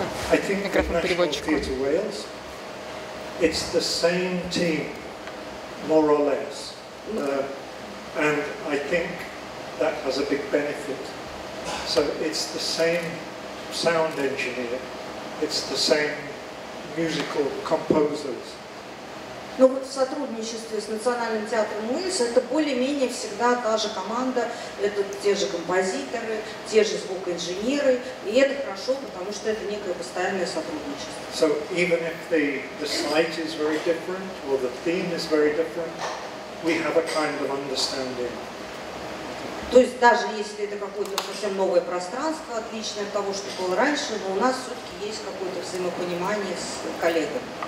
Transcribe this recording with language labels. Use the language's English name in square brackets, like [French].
[English] I think the National Theatre Wales, it's the same team, more or less, and I think that has a big benefit. So it's the same sound engineer, it's the same musical composers. [Russian] Но вот в сотрудничестве с Национальным театром Уэльс это более-менее всегда та же команда, это те же композиторы, те же звукоинженеры, и это хорошо, потому что это некое постоянное сотрудничество. [English] So even if the site is very different or the theme is very different, we have a kind of understanding. [Russian] То есть даже если это какое-то совсем новое пространство, отличное от того, что было раньше, но у нас все-таки есть какое-то взаимопонимание с коллегами.